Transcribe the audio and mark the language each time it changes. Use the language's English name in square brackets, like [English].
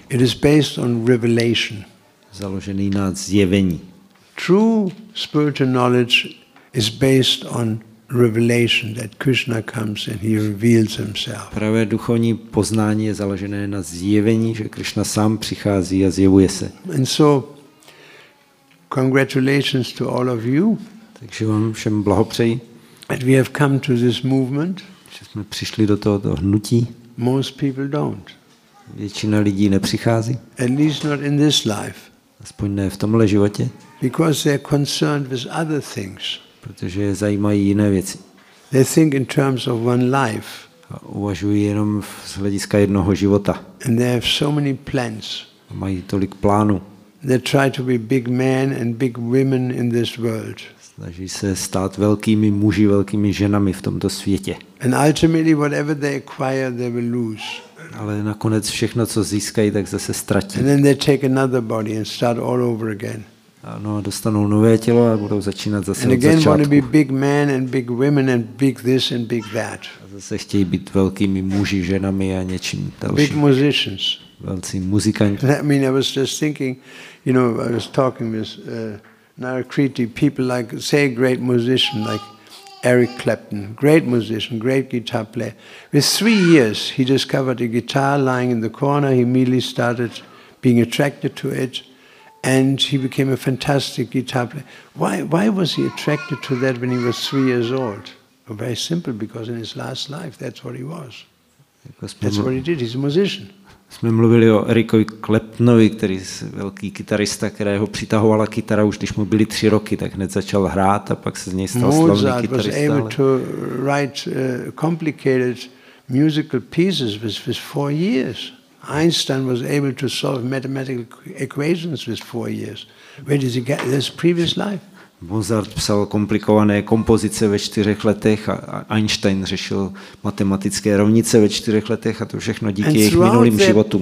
[English] It is based on revelation. [Czech] Založený na zjevení. [English] True spiritual knowledge is based on revelation that Krishna comes and he reveals himself. [Czech] Pravé duchovní poznání je založené na zjevení, že Krishna sám přichází a zjevuje se. [English] And so congratulations to all of you. [Czech] Takže vám všem blahopřeji. [English] That we have come to this movement. [Czech] Že jsme přišli do tohoto hnutí. [English] Most people don't. [Czech] Většina lidí nepřichází. [English] At least not in this life. [Czech] Aspoň ne v tomhle životě. [English] Because they're concerned with other things. [Czech] Protože je zajímají jiné věci. [English] They think in terms of one life. [Czech] A uvažují jenom z hlediska jednoho života. [English] And they have so many plans. [Czech] A mají tolik plánů. [English] They try to be big men and big women in this world. [Czech] Snaží se stát velkými muži, velkými ženami v tomto světě. [English] And ultimately, whatever they acquire, they will lose. [Czech] Ale nakonec všechno, co získají, tak zase ztratí. [English] And then they take another body and start all over again. [Czech] Ano, dostanou nové tělo a budou začínat zase od začátku. [English] And again, want to be big men and big women and big this and big that. [Czech] A zase chtějí být velkými muži, ženami a něčím dalším. [English] Big musicians. [Czech] Velcí muzikanti. [English] I mean, I was just thinking, you know, I was talking with Narakriti, people like, say, great musician like Eric Clapton, great musician, great guitar player. With 3 years, he discovered a guitar lying in the corner. He immediately started being attracted to it, and he became a fantastic guitar player. Why was he attracted to that when he was 3 years old? Well, very simple, because in his last life, that's what he was. That's what he did. He's a musician. [Czech] Jsme mluvili o Ericovi Claptonovi, který je velký kytarista, kterého přitahovala kytara už když mu byly 3 roky, tak hned začal hrát a pak se z něj stal slavný kytarista. [English] Mozart was able to write complicated musical pieces with 4 years. Einstein was able to solve mathematical equations with 4 years. Where did he get this previous life? [Czech] Mozart psal komplikované kompozice ve 4 letech a Einstein řešil matematické rovnice ve 4 letech a to všechno díky jejich minulým životům.